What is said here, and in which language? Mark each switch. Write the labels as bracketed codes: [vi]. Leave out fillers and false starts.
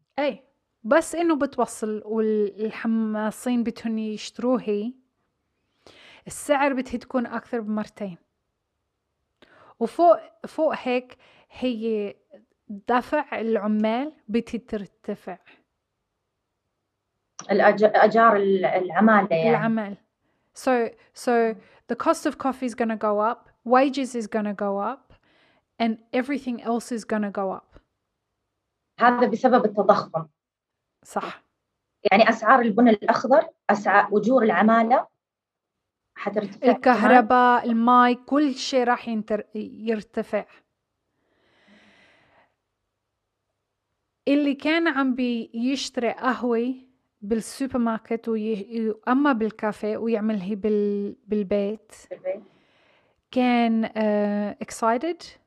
[ar] ايه، بس انه بتوصل والحماصين بتهني يشتروه السعر بده تكون اكثر بمرتين. وفوق هيك هي دفع العمال بده ترتفع، اجار العماله يعني العمال. [en] So the cost of coffee is going to go up, wages is going to go up, and everything else is going to go up. [ar] هذا بسبب التضخم صح، يعني أسعار البن الأخضر، أسعار وجور العمالة حترتفع، الكهرباء، الماي، كل شيء راح يرتفع. اللي كان عم بيشتري قهوة بالسوبر ماركت أما بالكافي ويعملها بالبيت كان excited،